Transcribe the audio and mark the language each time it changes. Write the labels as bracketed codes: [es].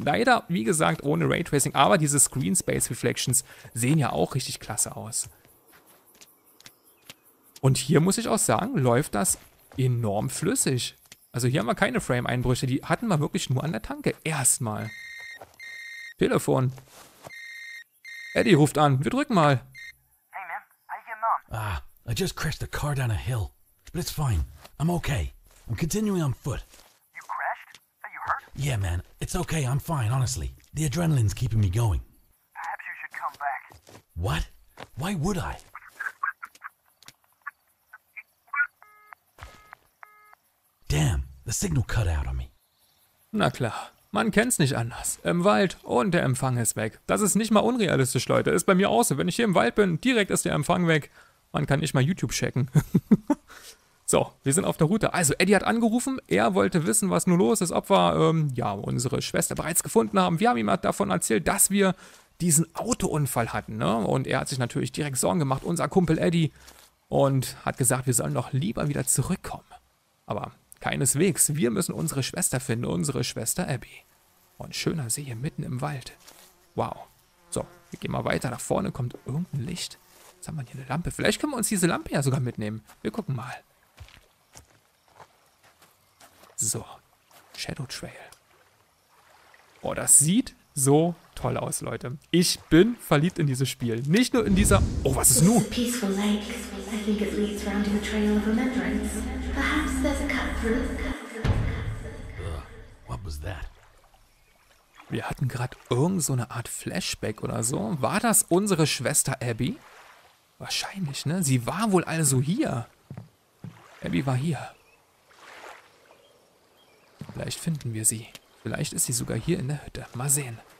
[de] Leider, wie gesagt, ohne Raytracing, aber diese Screen Space Reflections sehen ja auch richtig klasse aus. Und hier muss ich auch sagen, läuft das enorm flüssig. Also hier haben wir keine Frame-Einbrüche, die hatten wir wirklich nur an der Tanke. Erstmal. Telefon. Eddie ruft an, wir drücken mal. [en] Hey man, how you getting on? Ah, I just crashed the car down a hill. But it's fine, I'm okay. I'm continuing on foot. You crashed? Are you hurt? Yeah, man. It's okay. I'm fine, honestly. The adrenaline's keeping me going. Perhaps you should come back. What? Why would I? Damn, the signal cut out on me. [de] Na klar. Man kennt's nicht anders. Im Wald und der Empfang ist weg. Das ist nicht mal unrealistisch, Leute. Ist bei mir auch so. Wenn ich hier im Wald bin, direkt ist der Empfang weg. Man kann nicht mal YouTube checken. So, wir sind auf der Route. Also, Eddie hat angerufen. Er wollte wissen, was nun los ist. Ob wir, ja, unsere Schwester bereits gefunden haben. Wir haben ihm davon erzählt, dass wir diesen Autounfall hatten, ne? Und er hat sich natürlich direkt Sorgen gemacht, unser Kumpel Eddie. Und hat gesagt, wir sollen doch lieber wieder zurückkommen. Aber keineswegs. Wir müssen unsere Schwester finden. Unsere Schwester Abby. Und schöner See hier mitten im Wald. Wow. So, wir gehen mal weiter. Da vorne kommt irgendein Licht. Jetzt haben wir hier eine Lampe. Vielleicht können wir uns diese Lampe ja sogar mitnehmen. Wir gucken mal. So, Shadow Trail. Oh, das sieht so toll aus, Leute. Ich bin verliebt in dieses Spiel. Nicht nur in dieser... Oh, was ist nun? [en] Peaceful lake. I think it leads round to the trail of remembrance. Perhaps there's a cut through. What was that? [de] Wir hatten gerade irgend so eine Art Flashback oder so. War das unsere Schwester Abby? Wahrscheinlich, ne? Sie war wohl also hier. Abby war hier. Vielleicht finden wir sie. Vielleicht ist sie sogar hier in der Hütte. Mal sehen.